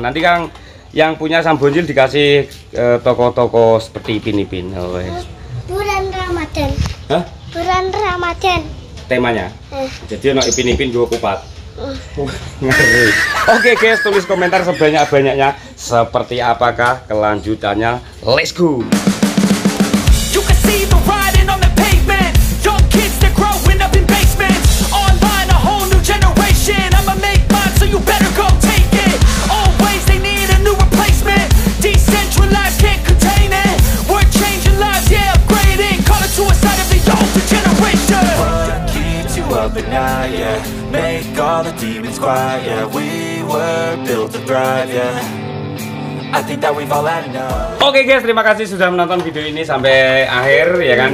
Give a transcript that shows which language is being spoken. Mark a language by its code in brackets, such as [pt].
[id] Nanti kan yang punya Sam Boncil dikasih toko-toko seperti Ipin-Ipin. Bulan Ramadan. Hah? Bulan Ramadan. Temanya. Jadi ono Ipin-Ipin dua kupat. Ngeri. Oke guys, tulis komentar sebanyak-banyaknya seperti apakah kelanjutannya. [en] Let's go. You can see the writing on the pavement. Young kids, they're growing up in basements. Online, a whole new generation. I'ma make mine, so you better go take it. Always they need a new replacement. Decentralized, can't contain it. We're changing lives, yeah, upgrading. Call it suicide of the older generation. Up at night, yeah. Make all the demons quiet, yeah. We were built to thrive, yeah. [id] Oke guys, terima kasih sudah menonton video ini sampai akhir ya kan.